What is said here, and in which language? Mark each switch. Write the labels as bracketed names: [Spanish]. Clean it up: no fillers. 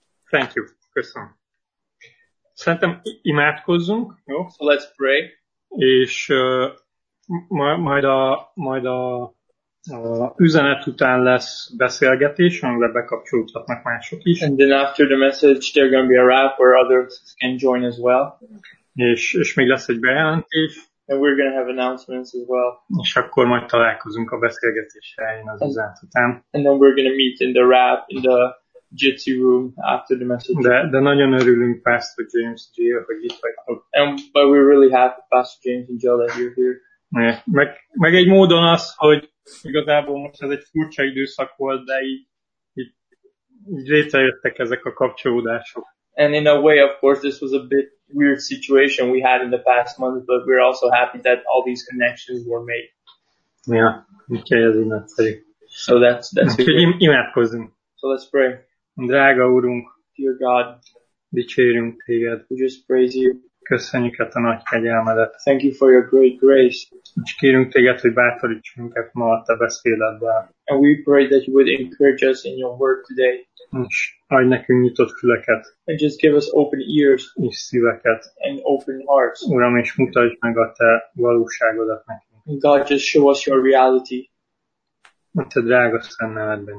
[English] Thank you, [Hungarian] köszönöm. Szerintem imádkozzunk, jó? [English] So let's pray. [Hungarian] És majd a üzenet után lesz beszélgetés, amire bekapcsolódhatnak mások is. [English] And then after the message, there's going to be a wrap where others can join as well. [Hungarian] És még lesz egy bejelentés. [English] And we're going to have announcements as well. [Hungarian] És akkor majd találkozunk a beszélgetés helyén az üzenet után. [English] And then we're going to meet in the wrap, in the Jitsi room after the message. [Hungarian] De nagyon örülünk Pastor James and Jill, hogy itt vagyok. [English] But we're really happy, Pastor James and Jill, that you're here. [Hungarian] Meg egy módon az, hogy igazából most ez egy furcsa időszak volt, de így létrejöttek ezek a kapcsolódások. [English] And in a way, of course, this was a bit weird situation we had in the past month, but we're also happy that all these connections were made. Yeah, okay, [Hungarian] ez így nagyszerű. [English] So that's good. [Hungarian] Imádkozzunk. [English] So let's pray. [Hungarian] Drága Úrunk, [English] dear God, [Hungarian] dicsérünk téged. [English] We just praise you. [Hungarian] Köszönjük a nagy kegyelmedet. [English] Thank you for your great grace. [Hungarian] És kérünk téged, hogy bátorítsunk minket ma a te beszéledben. [English] And we pray that you would encourage us in your word today. [Hungarian] És adj nekünk nyitott füleket. [English] And just give us open ears. [Hungarian] És szíveket. [English] And open hearts. [Hungarian] Uram, és mutasd meg a te valóságodat nekünk. [English] And God, just show us your reality. [Hungarian] A te drága szent nevedben.